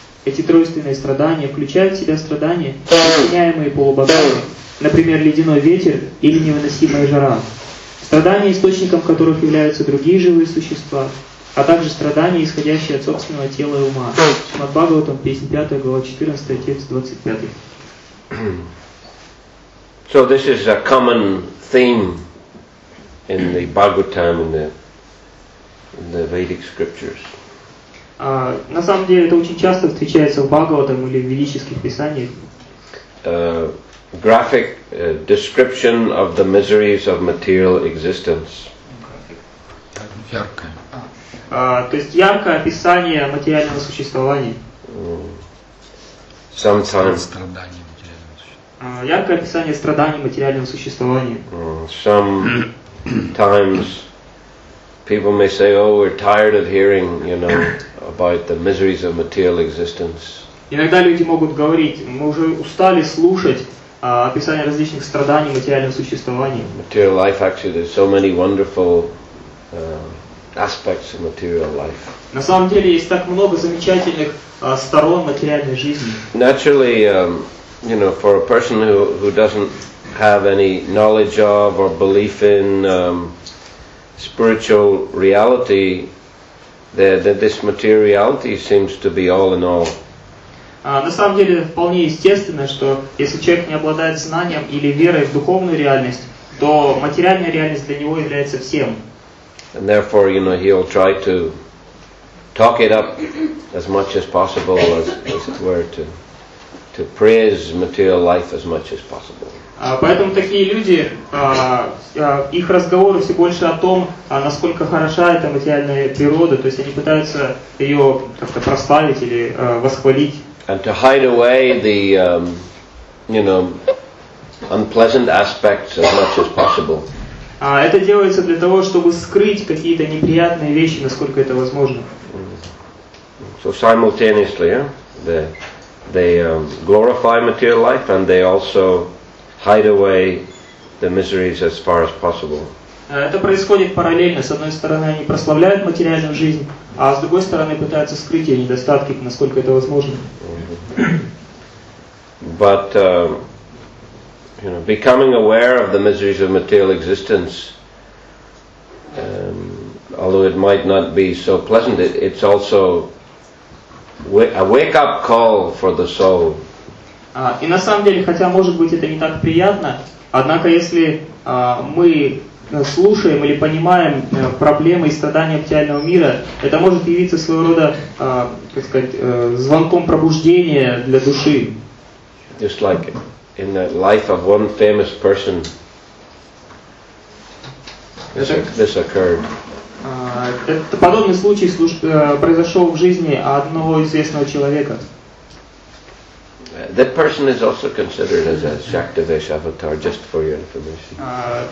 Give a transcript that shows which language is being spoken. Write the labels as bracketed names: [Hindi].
[Russian] Эти тройственные страдания включают в себя страдания, причиняемые полубогами, например, ледяной ветер или невыносимая жара. Страдания, источником которых являются другие живые существа, а также страдания, исходящие от собственного тела и ума. Шримад Бхагаватам, песня 5, глава 14, текст 25. [English] So this is a common theme in the Bhagavatam, in the Vedic scriptures. [Russian] На самом деле это очень часто встречается в Бхагаватам или в ведических писаниях. [English] Graphic description of the miseries of material existence. [Russian] Яркое. То есть яркое описание материального существования. [English] Sometimes. [Russian] Страдания материального существования. Яркое описание страданий материального существования. [English] Sometimes people may say, "Oh, we're tired of hearing, you know, about the miseries of material existence." [Russian] Иногда люди могут говорить, мы уже устали слушать. Описание различных страданий материального существования. [English] Material life actually, there's so many wonderful aspects of material life. [Russian] На самом деле есть так много замечательных сторон материальной жизни. [English] Naturally, you know, for a person who doesn't have any knowledge of or belief in spiritual reality, that this materiality seems to be all in all. [Russian] На самом деле, вполне естественно, что если человек не обладает знанием или верой в духовную реальность, то материальная реальность для него является всем. [English] And therefore, you know, he'll try to talk it up as much as possible, as it were, to praise material life as much as possible. [Russian] Поэтому такие люди, их разговоры все больше о том, насколько хороша эта материальная природа, то есть они пытаются ее как-то прославить или восхвалить. [English] And to hide away the, you know, unpleasant aspects as much as possible. [Russian] Это делается для того, чтобы скрыть какие-то неприятные вещи, насколько это возможно. [English] So simultaneously, they glorify material life, and they also hide away the miseries as far as possible. [Russian] Это происходит параллельно. С одной стороны, они прославляют материальную жизнь, а с другой стороны, пытаются скрыть ее недостатки, насколько это возможно. [English] But you know, becoming aware of the miseries of material existence, a although it might not be so pleasant, it's also a wake-up call for the soul. [Russian] И на самом деле, хотя может быть это не так приятно, однако если мы слушаем или понимаем проблемы и страдания материального мира, это может явиться своего рода, как сказать, звонком пробуждения для души. [English] Just like in the life of one famous person, this occurred. [Russian] Это подобный случай произошел в жизни одного известного человека. [English] That person is also considered as a Shaktivesh avatar, just for your information.